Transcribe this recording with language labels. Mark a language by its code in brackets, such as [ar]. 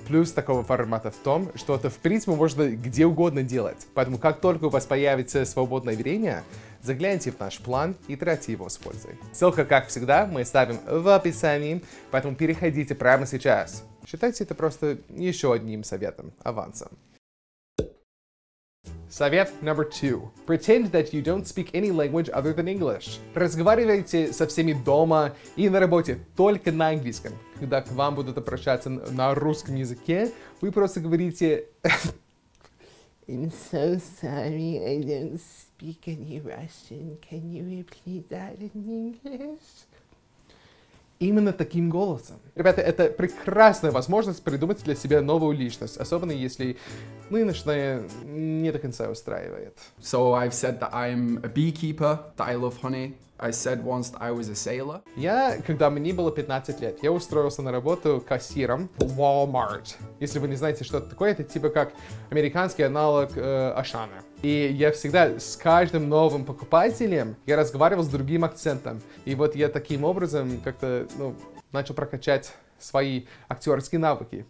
[ru] Плюс такого формата в том, что это в принципе можно где угодно делать. Поэтому как только у вас появится свободное время, загляните в наш план и тратьте его с пользой. Ссылка, как всегда, мы ставим в описании, поэтому переходите прямо сейчас. Считайте это просто еще одним советом, авансом. Совет номер 2. [en] Pretend that you don't speak any language other than English. [ru] Разговаривайте со всеми дома и на работе только на английском. Когда к вам будут обращаться на русском языке, вы просто говорите... [en] I'm so sorry, I don't speak any Russian. Can you repeat that in English? [ru] Именно таким голосом. Ребята, это прекрасная возможность придумать для себя новую личность, особенно если нынешняя не до конца устраивает. [en] So I've said that I'm a beekeeper, that I love honey. I said once that I was a sailor. [ru] Я, когда мне было 15 лет, я устроился на работу кассиром в Walmart. Если вы не знаете, что это такое, это типа как американский аналог Ашана. И я всегда с каждым новым покупателем я разговаривал с другим акцентом. И вот я таким образом как-то, ну, начал прокачать свои актерские навыки.